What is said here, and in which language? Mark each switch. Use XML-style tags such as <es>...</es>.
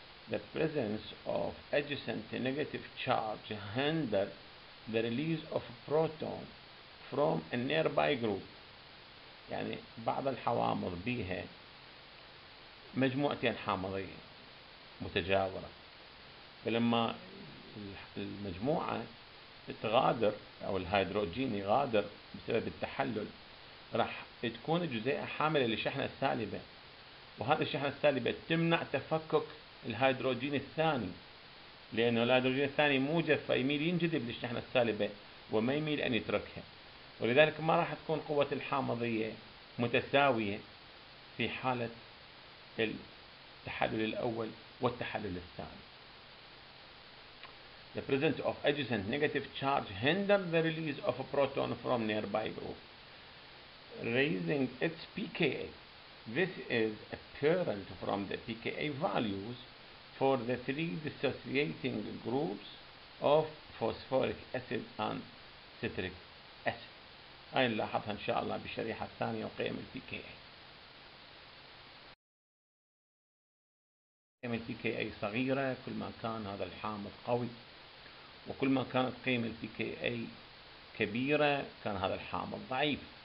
<en>The presence of adjacent negative charge hinders the release of proton from a nearby group.</en> <ar>يعني بعض الحوامض بيها مجموعتين حامضية متجاورة، فلما المجموعة تغادر أو الهيدروجين يغادر بسبب التحلل، راح تكون الجزيئة حاملة لشحنة سالبة، وهذه الشحنة السالبة تمنع تفكك الهيدروجين الثاني، لأنه الهيدروجين الثاني موجب فيميل ينجذب للشحنة السالبة وما يميل أن يتركها، ولذلك ما راح تكون قوة الحامضية متساوية في حالة التحلل الأول والتحلل الثاني.</ar> <en>The presence of adjacent negative charge hinders the release of a proton from nearby group, raising its pKa. This is apparent from the pKa values for the three dissociating groups of phosphoric acid and citric acid.</en> <ar>هاي نلاحظها إن شاء الله بالشريحة الثانية وقيم الـ pKa. قيمة الـ pKa صغيرة كل ما كان هذا الحامض قوي، وكل ما كانت قيمة الـ pKa كبيرة كان هذا الحامض ضعيف.</ar>